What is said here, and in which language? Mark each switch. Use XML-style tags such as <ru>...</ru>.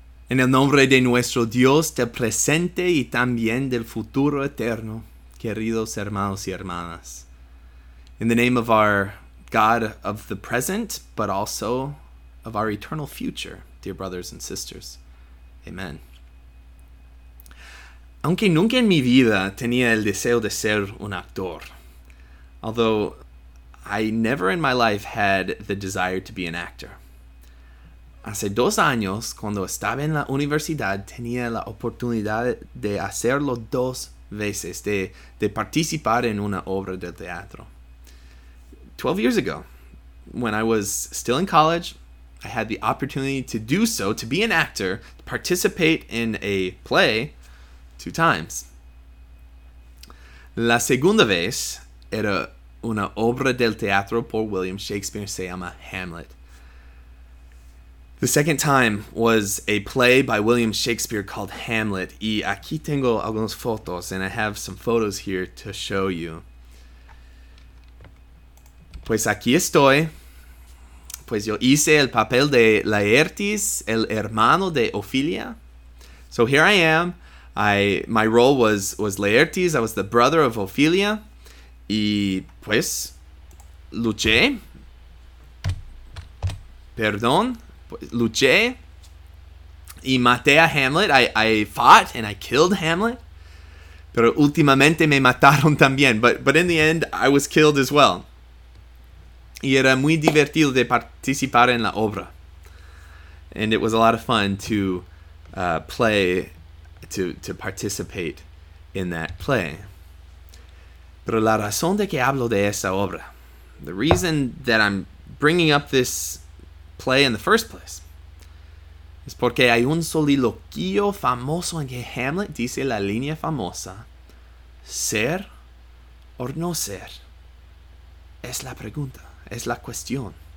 <es>En el nombre de nuestro Dios del presente y también del futuro eterno, queridos hermanos y hermanas.</es> <en>In the name of our God of the present, but also of our eternal future, dear brothers and sisters. Amen.</en> <es>Aunque nunca en mi vida tenía el deseo de ser un actor,</es> <en>although I never in my life had the desire to be an actor.</en> <es>Hace 2 años, cuando estaba en la universidad, tenía la oportunidad de hacerlo 2 veces, de participar en una obra de teatro.</es> <en>12 years ago, when I was still in college, I had the opportunity to do so, to be an actor, to participate in a play 2 times.</en> <es>La segunda vez era una obra del teatro por William Shakespeare, se llama Hamlet.</es> <en>The second time was a play by William Shakespeare called Hamlet,</en> <es>y aquí tengo algunas fotos,</es> <en>and I have some photos here to show you.</en> <es>Pues aquí estoy. Pues yo hice el papel de Laertes, el hermano de Ophelia.</es> <en>So here I am. My role was Laertes. I was the brother of Ophelia.</en> <es>Y pues, luché. Perdón. Luché. Y maté a Hamlet.</es> <en>I fought and I killed Hamlet.</en> <es>Pero últimamente me mataron también.</es> <en>But in the end, I was killed as well.</en> <es>Y era muy divertido de participar en la obra.</es> <en>And it was a lot of fun to play, to participate in that play.</en> <es>Pero la razón de que hablo de esa obra,</es> <en>the reason that I'm bringing up this play in the first place,</en> <es>es porque hay un soliloquio famoso en que Hamlet dice la línea famosa, ser o no ser, es la pregunta. Es la cuestión.</es>